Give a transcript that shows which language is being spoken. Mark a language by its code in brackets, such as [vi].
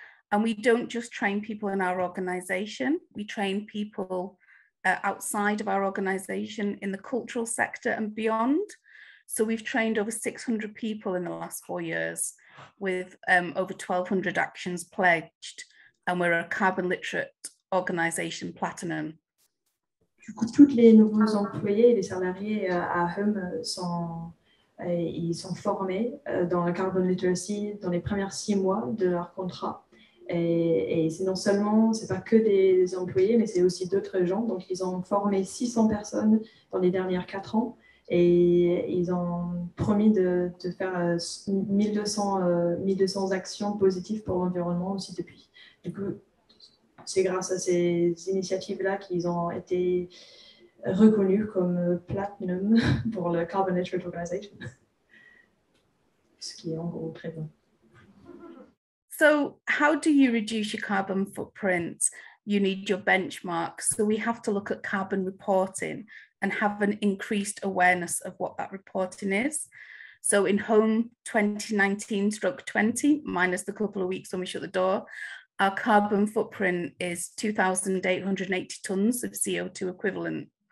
[en] And we don't just train people in our organisation, we train people outside of our organisation in the cultural sector and beyond. So we've trained over 600 people in the last 4 years with over 1,200 actions pledged, and we're a carbon literate organisation platinum. [fr] Du coup, toutes les nouveaux employés et les salariés à Home sont formés dans le carbon literacy dans les premières 6 mois de leur contrat. Et c'est non seulement, c'est pas que des employés, mais c'est aussi d'autres gens. Donc, ils ont formé 600 personnes dans les dernières 4 ans. Et ils ont promis de faire 1200 actions positives pour l'environnement aussi depuis. Du coup, c'est grâce à ces initiatives-là qu'ils ont été reconnus comme platinum pour le Carbon Literate Organization, ce qui est en gros très bon. [en] So, how do you reduce your carbon footprint? You need your benchmarks. So we have to look at carbon reporting and have an increased awareness of what that reporting is. So in Home 2019/20, minus the couple of weeks when we shut the door, our carbon footprint is 2,880 tons of CO2 equivalent.